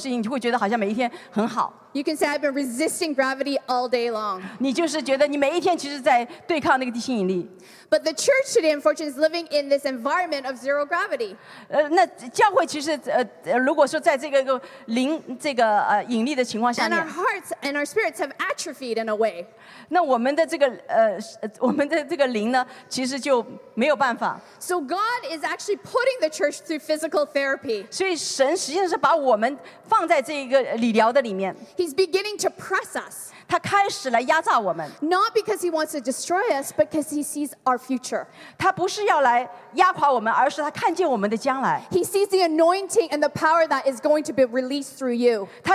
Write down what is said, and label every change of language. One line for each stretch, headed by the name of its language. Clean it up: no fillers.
Chinese: 所以有些时候，如果你没有做什么事情，你就会觉得好像每一天很好。
English: You can say I've been resisting gravity all day long.
Chinese: 你就是觉得你每一天其实在对抗那个地心引力。
English: But the church today, unfortunately, is living in this environment of zero gravity.
Chinese: 那教会其实如果说在这个引力的情况下面。
English: And our hearts and our spirits have atrophied in a way.
Chinese: 那我们的这个灵呢，其实就没有办法。
English: So God is actually putting the church through physical therapy.
Chinese: 所以神实际上是把我们放在这个理疗的里面。
English: He's beginning to press us.
Chinese: 他开始来压榨我们。
English: Not because he wants to destroy us, but because he sees our future.
Chinese: 他不是要来压垮我们，而是他看见我们的将来。
English: He sees the anointing and the power that is going to be released through you.